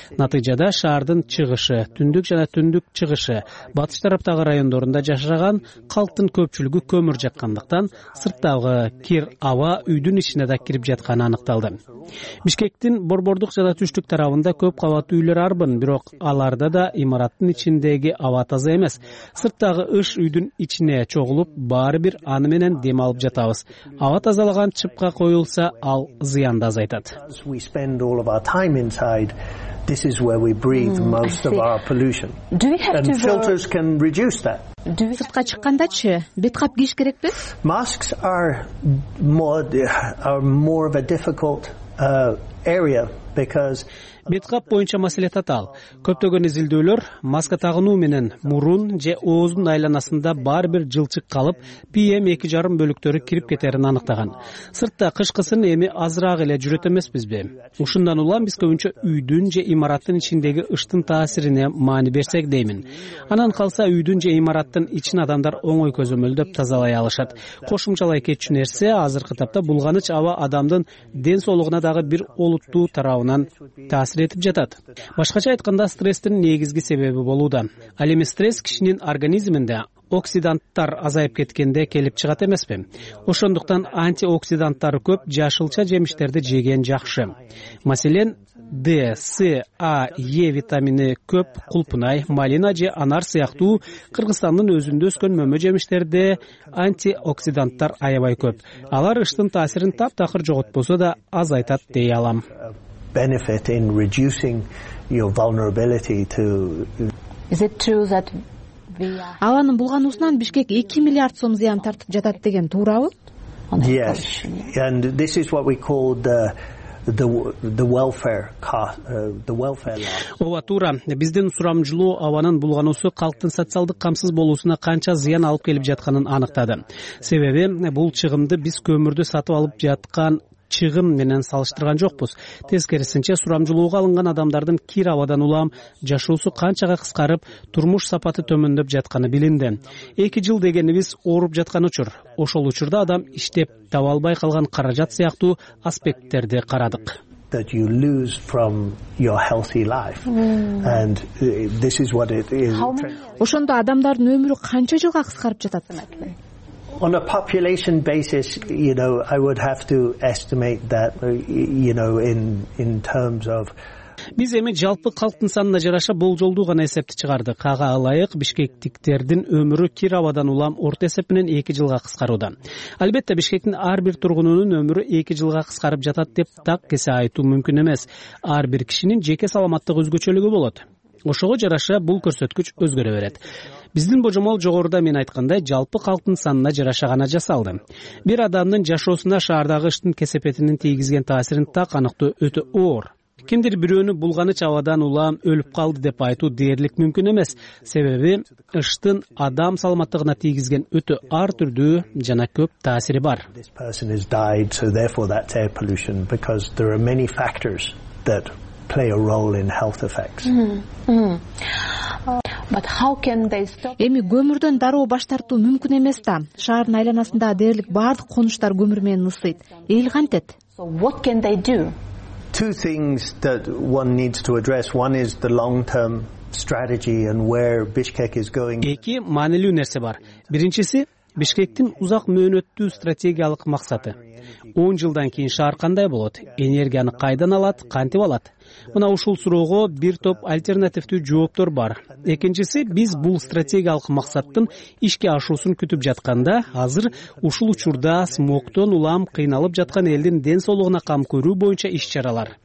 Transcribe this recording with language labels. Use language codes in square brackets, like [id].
[ky] Натыйжада шаардын чыгышы, түндүк жана түндүк чыгышы, батыш тараптагы райондорунда жашаган калктын көпчүлүгү көмүр жак кандыктан сырттагы кир аба үйдүн ичине да кирип жатканы аныкталды. Бишкектин борбордук жана түштүк тарабында көп кабаттуу үйлөр арбын, бирок аларда да имараттын ичиндеги аба таза эмес. Сырттагы ыш үйдүн ичине чогулуп, баары бир аны менен дем алып жатабыз. Аба тазалаган чыпка коюлса, ал зыянды азайтат. [en] We spend all of our time inside. This is where we breathe most of our pollution. Do we have and to filters can reduce that. [ky] Сыртка чыккандачы бет кап кийиш керекпи? [en] Masks are more of a difficult area because [ky] Меткап боюнча маселе татаал. Көптөгөн изилдөөлөр маска тагынуу менен мурун же ооздун айланасында бар бир жылчык калып, PM2.5 бөлүктөрү кирип кетерин аныктаган. Сыртта кышкысын эми азыраак эле жүрөт эмеспизби? Ушундан улам биз көбүнчө үйдүн же имараттын ичиндеги ыштын таасирине маани берсек деймин. Анан калса үйдүн же имараттын ичин адамдар оңой көзөмөлдөп тазалай алышат. Кошумчалай кетчү нерсе, азыркы тапта булганыч аба адамдын ден соолугуна дагы бир олуттуу тарабынан таасир этип жатат. Башкача айтканда, стресстин негизги себеби болууда. Ал эми стресс кишинин организминде оксиданттар азайып кеткенде келип чыгат эмеспи? Ошондуктан антиоксиданттары көп жашылча жемиштерди жеген жакшы. Маселен, D, C, A, E витамини көп кулпунай, малина же анар сыяктуу Кыргызстандын өзүндө өскөн мөмө жемиштерде антиоксиданттар аябай көп. Алар ыштын таасирин таптакыр жоготпосо да азайтат дей алам. [en] Benefit in reducing your vulnerability to. Is it true that [ky] Аланын булгануусунан Бишкек 2 миллиард сом зыян тартып жатат деген туурабы? [en] Yes. And this is what we call the welfare cost. [ky] Ооба, туура. Биздин сурамжылуу абанын булгануусу калктын социалдык камсыз болуусуна канча зыян алып келип жатканын аныктады. Себеби бул чыгымды биз көмүрдү сатып алып жаткан чыгым менен салыштырган жокпуз. Тескерисинче, сурамжылоого алынган адамдардын кир абадан улам жашоосу канчага кыскарып, турмуш сапаты төмөндөп жатканы билинди. 2 жыл дегенибиз ооруп жаткан учур. Ошол учурда адам иштеп таба албай калган каражат сыяктуу аспекттерди карадык. [en] That you lose from your healthy life. And this is what it is. [ky] Ошондо адамдардын өмүрү канча жылга кыскарып жатат эмеспи? [en] On a population basis, you know, I would have to estimate that, you know, in terms of. [ky] Биз эми жалпы калктын санына жараша болжолду гана эсепти чыгардык. Ага ылайык, бишкектиктердин өмүрү кир абадан улам орто эсеп менен 2 жылга кыскарууда. Албетте, Бишкектин ар бир тургунунун өмүрү 2 жылга кыскарып жатат деп так кесе айтуу мүмкүн эмес. Ар бир кишинин жеке саламаттык өзгөчөлүгү болот. Ошого жараша бул көрсөткүч өзгөрө берет. Биздин божомол жогоруда мен айткандай жалпы калктын санына жараша гана жасалды. Бир адамдын жашоосуна шаардагы ыштын кесепетинин тийгизген таасирин так аныктоо өтө оор. Кимдир бирөөнү булганыч абадан улам өлүп калды деп айтуу дээрлик мүмкүн эмес. Себеби ыштын адам саламаттыгына тийгизген өтө ар түрдүү жана көп таасири бар. [en] Play a role in health effects. But how can they stop? [ky] Эми көмүрдөн дароо баш тартуу мүмкүн эмес да. Шаардын айланасында дээрлик бардык конуштар көмүр менен ысыйт. Эл кантет? [en] So what can they do? Two things that one needs to address. One is the long-term strategy and where Bishkek is going. [ky] Эки маанилүү нерсе бар. Биринчиси, Бишкектин узак мөөнөттүү стратегиялык максаты. 10 жылдан кийин шаар кандай болот? Энергияны кайдан алат? Кантип алат? Мына ушул суроого бир топ альтернативдүү жооптор бар. Экинчиси, биз бул стратегиялык максаттын ишке ашуусун күтүп жатканда, азыр ушул учурда смогтон улам кыйналып жаткан элдин ден соолугуна кам көрүү боюнча иш-чаралар.